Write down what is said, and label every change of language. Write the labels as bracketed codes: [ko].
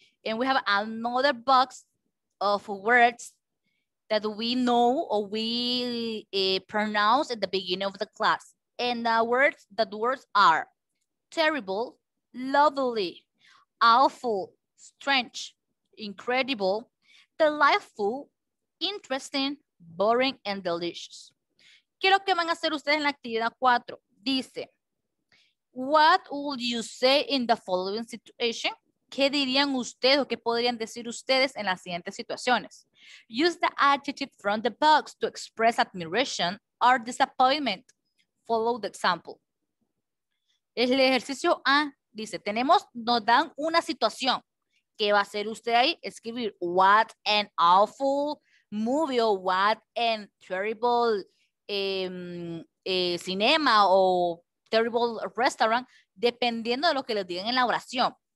[en] And we have another box of words that we know or we pronounce at the beginning of the class. And the words, are terrible, lovely, awful, strange, incredible, delightful, interesting, boring, and delicious. [es] Quiero que van a hacer ustedes en la actividad 4. Dice, [en] what would you say in the following situation? [es] ¿Qué dirían ustedes o qué podrían decir ustedes en las siguientes situaciones? [en] Use the adjective from the box to express admiration or disappointment. Follow the example. [es] El ejercicio A dice, tenemos, nos dan una situación. ¿Qué va a hacer usted ahí? Escribir, [en] what an awful movie, [es] o [en] what an terrible cinema, [es] o terrible restaurant, dependiendo de lo que les digan en la oración.